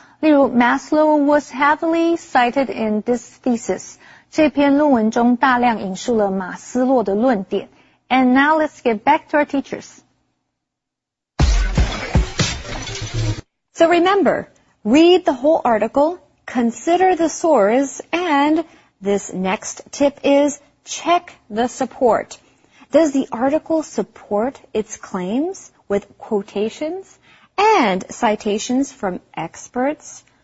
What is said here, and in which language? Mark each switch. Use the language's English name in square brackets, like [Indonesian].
[Chinese] 例如 [English] Maslow was heavily cited in this thesis. [Chinese] 这篇论文中大量引述了马斯洛的论点。 [English] And now let's get back to our teachers. So remember, read the whole article, consider the source, and this next tip is check the support. Does the article support its claims with quotations and citations from experts?